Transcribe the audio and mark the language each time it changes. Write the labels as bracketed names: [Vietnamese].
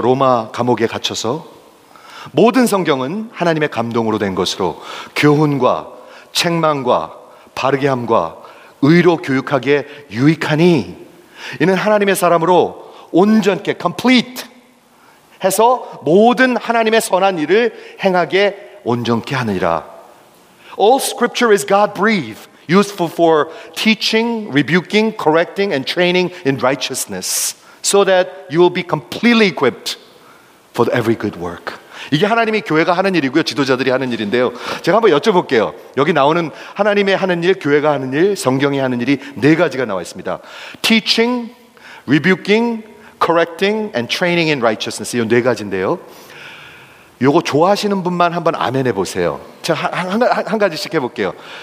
[Korean] 로마 감옥에 갇혀서, 모든 성경은 하나님의 감동으로 된 것으로 교훈과 책망과 바르게 함과 의로 교육하기에 유익하니, 이는 하나님의 사람으로 온전케 complete 해서 모든 하나님의 선한 일을 행하게 온전케 하느니라. [English] All scripture is God-breathed, useful for teaching, rebuking, correcting, and training in righteousness, so that you will be completely equipped for every good work. [Korean] 이게 하나님이 교회가 하는 일이고요, 지도자들이 하는 일인데요. 제가 한번 여쭤볼게요. 여기 나오는 하나님의 하는 일, 교회가 하는 일, 성경이 하는 일이 네 가지가 나와 있습니다. [English] Teaching, rebuking, correcting, and training in righteousness. [Korean] 이 네 가지인데요. 요거 좋아하시는 분만 한번 아멘해 보세요. 제가 한 가지씩 해볼게요.